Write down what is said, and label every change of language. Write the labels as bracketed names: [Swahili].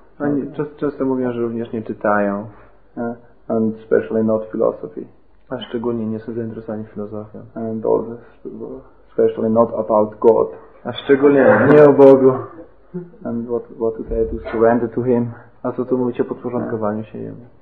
[Polish] Oni często mówią, że również nie czytają. [English] And especially not philosophy. [Polish] A szczególnie nie są zainteresowani filozofią. [English] And all this, especially not about God. [Polish] A szczególnie nie o Bogu. [English] And what to say, to surrender to Him. [Polish] A co tu mówicie o podporządkowaniu się Jemu?